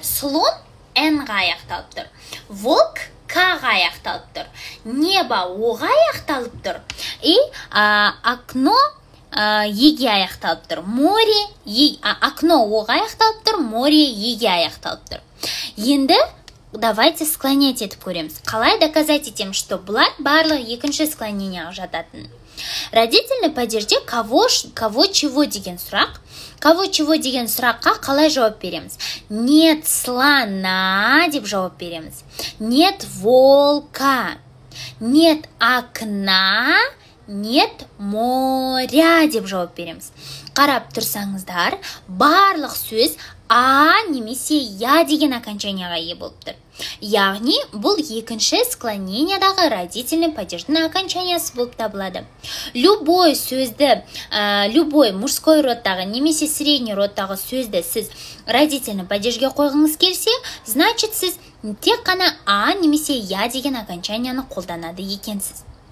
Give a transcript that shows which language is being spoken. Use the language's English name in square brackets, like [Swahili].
[Kazakh] Слон Н-ға аяқталып тұр, волк К-ға аяқталып тұр, небо О-ға аяқталып тұр, и окно еге аяқталып тұр, море окно оға аяқталып тұр, море еге аяқталып тұр. Енді [Russian] давайте склонять [Kazakh] етіп көреміз, қалай [Russian] доказать [Kazakh] етем, [Russian] что [Kazakh] бұлар барлығы екінші склонениеге жататын. Родительный падежде кого-чего деген сұрақ. Кого-чего деген сұраққа қалай жауап береміз? [Russian] Нет слона [Kazakh] деп жауап береміз, [Russian] нет волка, нет окна, нет моря деп жауап береміз. [Kazakh] Қарап тұрсаңыздар, барлық сөз а немесе я деген окончанияға ие болып тұр. Яғни, бұл екінші склонениедағы родительный падеждің окончаниясы болып табылады. [Russian] Любой [Kazakh] сөзді, [Russian] любой [Kazakh] мужской родтағы немесе средний родтағы сөзді сіз родительный падежге қойғыңыз келсе, [Russian] значит, [Kazakh] сіз тек қана а немесе я деген окончанияны қолданады екенсіз.